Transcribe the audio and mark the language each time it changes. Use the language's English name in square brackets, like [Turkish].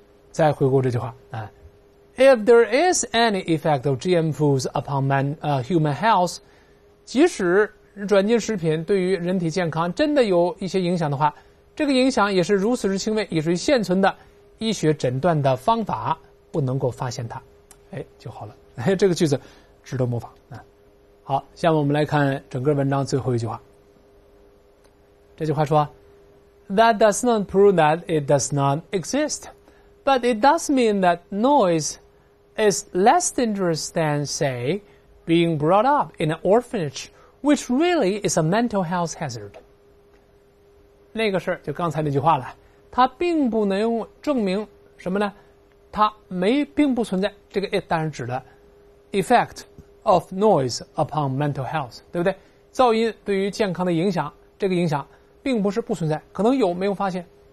[Chinese] 再回顾这句话啊， [English] if there is any effect of GM foods upon human health， [Chinese] 即使转基因食品对于人体健康真的有一些影响的话，这个影响也是如此之轻微，以至于现存的医学诊断的方法不能够发现它，就好了。这个句子值得模仿。好，下面我们来看整个文章最后一句话。这句话说 [English] That does not prove that it does not exist, but it does mean that noise is less dangerous than, say, being brought up in an orphanage which really is a mental health hazard. [Chinese] 那个事儿就刚才那句话了，它并不能用证明什么呢？它没并不存在，这个 it 当然指的 [English] effect of noise upon mental health， [Chinese] 对不对？噪音对于健康的影响，这个影响并不是不存在，可能有没有发现。